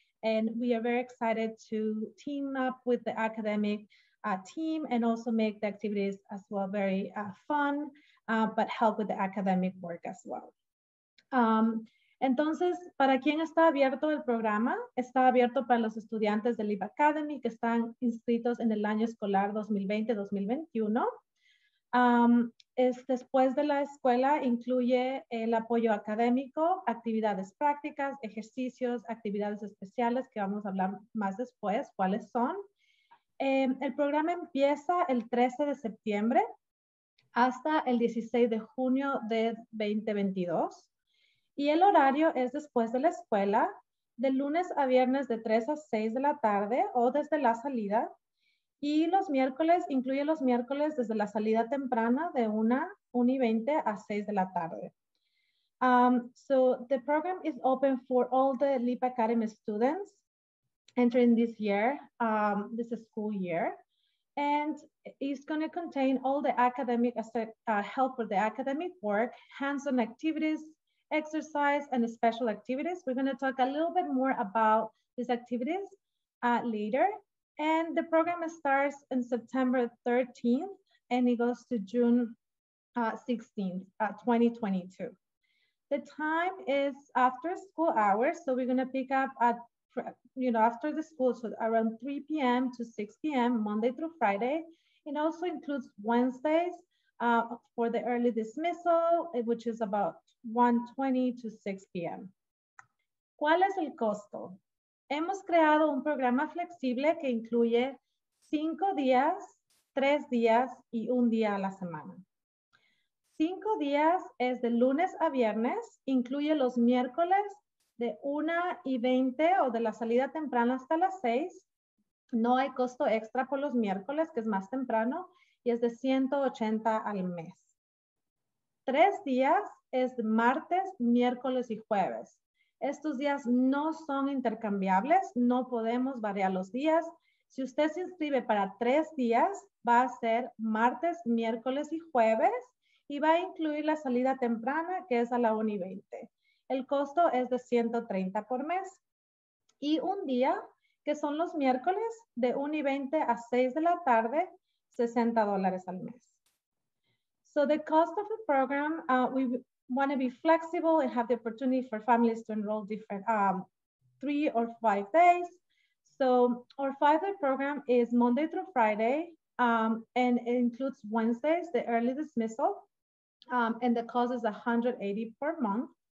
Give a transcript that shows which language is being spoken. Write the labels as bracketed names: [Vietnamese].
[English] And we are very excited to team up with the academic team and also make the activities as well very fun, but help with the academic work as well. [Spanish] Entonces, ¿para quién está abierto el programa? Está abierto para los estudiantes de Leap Academy que están inscritos en el año escolar 2020-2021. Después de la escuela incluye el apoyo académico, actividades prácticas, ejercicios, actividades especiales que vamos a hablar más después, cuáles son. El programa empieza el 13 de septiembre hasta el 16 de junio de 2022. Y el horario es después de la escuela, de lunes a viernes de 3 a 6 de la tarde o desde la salida. Y los miércoles, incluye los miércoles desde la salida temprana de 1:20 a 6 de la tarde. [English] So the program is open for all the Leap Academy students entering this year, this school year. And it's going to contain all the academic help for the academic work, hands-on activities, exercise, and special activities. We're going to talk a little bit more about these activities later. And the program starts on September 13th and it goes to June 16th, 2022. The time is after school hours. So we're gonna pick up at, you know, after the school, so around 3 p.m. to 6 p.m. Monday through Friday. It also includes Wednesdays for the early dismissal, which is about 1:20 to 6 p.m. [Spanish] ¿Cuál es el costo? Hemos creado un programa flexible que incluye 5 días, 3 días y 1 día a la semana. 5 días es de lunes a viernes, incluye los miércoles de 1:20 o de la salida temprana hasta las 6. No hay costo extra por los miércoles, que es más temprano, y es de $180 al mes. 3 días es de martes, miércoles y jueves. Estos días no son intercambiables, no podemos variar los días. Si usted se inscribe para 3 días, va a ser martes, miércoles y jueves y va a incluir la salida temprana, que es a la 1:20. El costo es de $130 por mes. Y 1 día, que son los miércoles, de 1:20 a 6 de la tarde, $60 al mes. [English] So the cost of the program, want to be flexible and have the opportunity for families to enroll different 3 or 5 days. So our 5-day program is Monday through Friday and it includes Wednesdays, the early dismissal, and the cost is $180 per month.